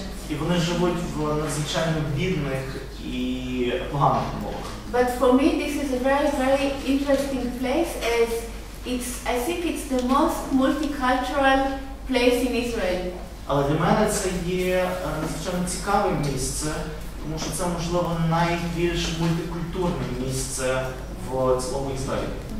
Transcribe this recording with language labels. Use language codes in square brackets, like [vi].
[uk] І вони живуть в надзвичайно бідних і поганих умовах. [en] But for me this is a very, very interesting place as I think it's the most multicultural place in Israel. [uk] Але для мене це є надзвичайно цікаве місце, тому що це, можливо, найбільш мультикультурне місце в цілому Ізраїлі.